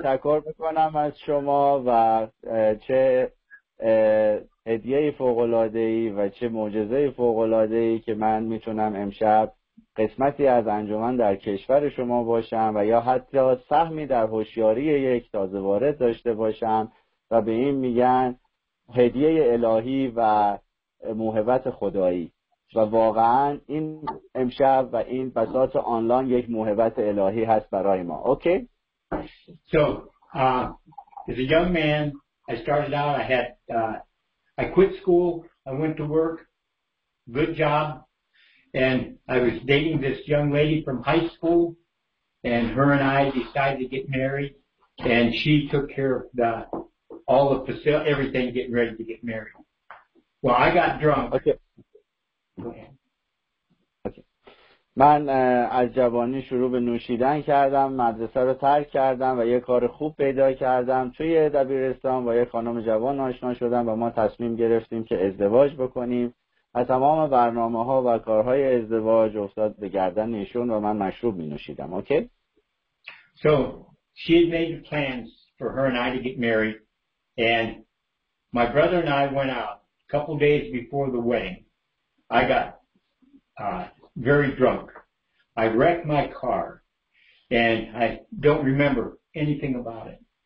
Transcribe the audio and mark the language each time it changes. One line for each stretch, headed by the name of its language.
Persian: تشکر میکنم از شما و چه هدیه فوق‌العاده‌ای و چه معجزه فوق‌العاده‌ای که من میتونم امشب قسمتی از انجمن در کشور شما باشم و یا حتی سهمی در هوشیاری یک تازه وارد داشته باشم و به این میگن هدیه الهی و موهبت خدایی. و واقعا این امشب و این بساط آنلاین یک موهبت الهی هست برای ما.
English: Okay? So, as a young man, I started out, I quit school, I went to work, good job, and I was dating this young lady from high school, and her and I decided to get married, and she took care of the all the facility, everything, getting ready to get married. Well, I got drunk. Okay. Okay.
Persian: من از جوانی شروع به نوشیدن کردم، مدرسه رو ترک کردم و یک کار خوب پیدا کردم. توی دبیرستان با یک خانم جوان آشنا شدم و ما تصمیم گرفتیم که ازدواج بکنیم و تمام برنامه ها و کارهای ازدواج افتاد به گردن ایشون و من مشروب می نوشیدم.
English: Okay? So she had made plans for her and I to get married, and my brother and I went out a couple days before the wedding. I got very drunk. I wrecked my car, and I don't remember anything about it.